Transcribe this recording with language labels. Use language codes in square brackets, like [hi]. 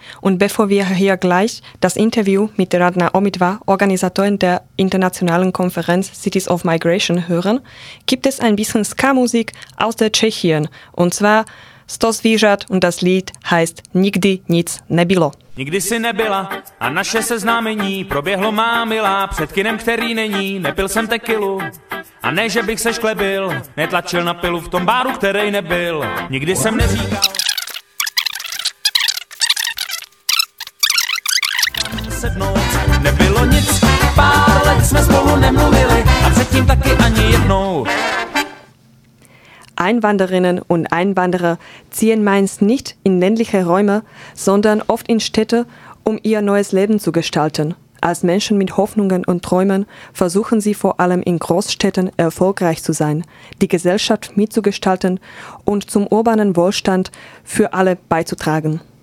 [de] Und bevor wir hier gleich das Interview mit Radna Omidva, Organisatorin der internationalen Konferenz Cities of Migration, hören, gibt es ein bisschen Ska-Musik aus der Tschechien. Und zwar Stos Vyžad und das Lied heißt Nikdy nic nebylo. [cs] Nikdy jsi nebyla a naše seznámení proběhlo má milá před kinem, který není, nepil jsem tekilu. A ne, že bych se šklebil, netlačil na pilu v tom báru, který nebyl. Nikdy jsem neříkal. Sednout nebylo nic, pár let jsme spolu nemluvili a předtím taky ani jednou. [de] Einwanderinnen und Einwanderer ziehen meist nicht in ländliche Räume, sondern oft in Städte, um ihr neues Leben zu gestalten. Als Menschen mit Hoffnungen und Träumen versuchen sie vor allem in Großstädten erfolgreich zu sein, die Gesellschaft mitzugestalten und zum urbanen Wohlstand für alle beizutragen.